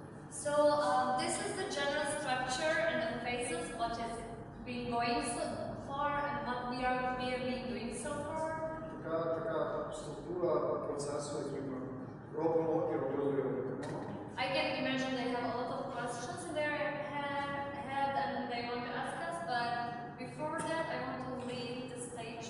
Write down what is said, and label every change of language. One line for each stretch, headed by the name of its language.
English: So, this is the general structure and the phases, what has been going so far and what we are clearly doing so far.
Ukrainian: Така структура процесу, який ми робимо і робили його.
English: I can imagine they have a lot of questions in their head and they want to ask us, but before that I want to leave the stage.